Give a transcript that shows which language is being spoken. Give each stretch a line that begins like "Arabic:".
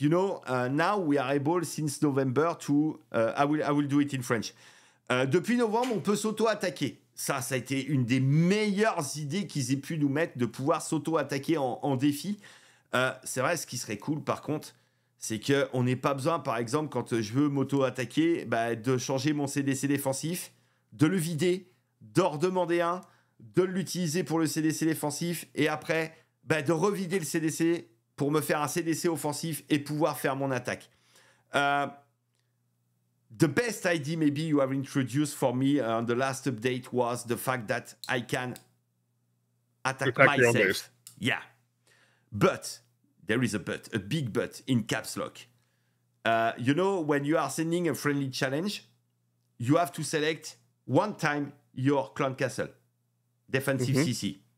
English: You know, now we are able since November to I will do it in French.
French: Depuis novembre, on peut s'auto-attaquer. Ça a été une des meilleures idées qu'ils aient pu nous mettre, de pouvoir s'auto-attaquer en défi. C'est vrai, ce qui serait cool, par contre, c'est qu'on n'ait pas besoin, par exemple, quand je veux m'auto-attaquer, de changer mon CDC défensif, de le vider, d'en redemander un, de l'utiliser pour le CDC défensif, et après, de revider le CDC pour me faire un CDC offensif et pouvoir faire mon attaque.
English: The best idea maybe you have introduced for me on the last update was the fact that I can attack myself. Yeah. But, there is a big but in caps lock. You know, when you are sending a friendly challenge, you have to select one time your clan castle, defensive mm-hmm. CC.